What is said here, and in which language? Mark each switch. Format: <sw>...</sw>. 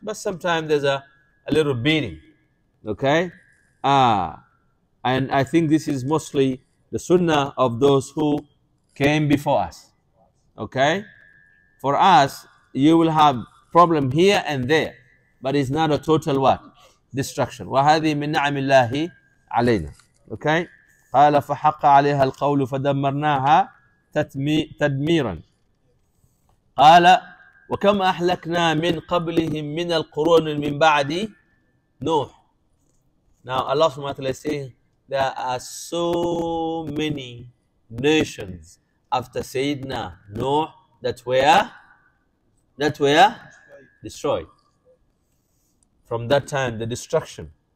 <en>But sometimes there's a little beating, okay? And I think this is mostly the sunnah of those who came before us, okay? For us, you will have problem here and there, but it's not a total what? Destruction.</en> <ar>وَهَذِهِ مِنْ نَعْمِ اللَّهِ عَلَيْنَا. Okay, قال فحق عليها القول فدمرناها تدميرا. قال وكم أهلكنا من قبلهم من القرون من بعد نوح.</ar> <en>Now Allah subhanahu wa ta'ala is saying there are so many nations after Sayyidina Nuh that were destroyed. From that time, the destruction.</en>